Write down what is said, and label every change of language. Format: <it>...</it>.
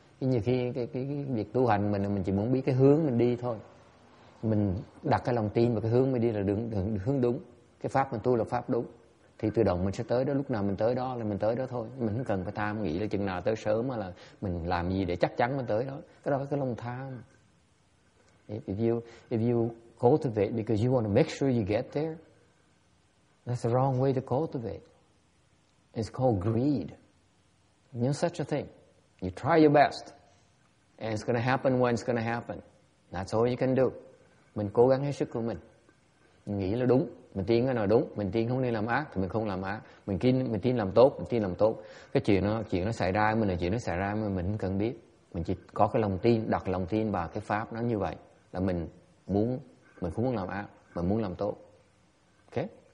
<vi>Nhưng nhiều khi cái việc tu hành mình chỉ muốn biết cái hướng mình đi thôi, mình đặt cái lòng tin vào cái hướng mình đi là đường hướng đúng, cái pháp mình tu là pháp đúng, thì tự động mình sẽ tới đó. Lúc nào mình tới đó là mình tới đó thôi. Mình không cần phải tham nghĩ là chừng nào tới sớm hay là mình làm gì để chắc chắn mình tới đó. Cái đó là cái lòng tham.</vi> <en>If you cultivate because you want to make sure you get there, that's the wrong way to cultivate. It's called greed. No such a thing. You try your best and it's going to happen when it's going to happen. That's all you can do.</en> <vi>Mình cố gắng hết sức của mình. Mình nghĩ là đúng. Mình tin cái nào đúng, mình tin không nên làm ác thì mình không làm ác. Mình tin làm tốt. Cái chuyện nó xảy ra mình là chuyện nó xảy ra mình không cần biết. Mình chỉ có cái lòng tin, đặt lòng tin vào cái pháp nó như vậy. Là mình không muốn làm ác, mình muốn làm tốt. Ok?</vi>